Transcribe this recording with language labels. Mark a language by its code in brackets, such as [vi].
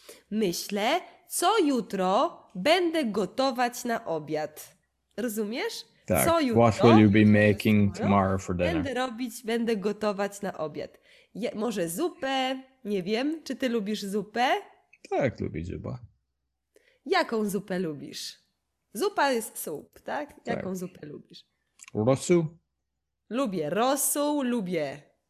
[pl] Myślę, co jutro będę gotować na obiad. Rozumiesz? Tak. Co jutro? [en] What will you be making tomorrow for dinner? [pl] Będę gotować na obiad. Może zupę? Nie wiem, czy ty lubisz zupę? Tak, lubię zupę. Jaką zupę lubisz? Zupa jest sup, tak? Jaką tak. zupę lubisz? Rosół. Lubię. Rosół lubię.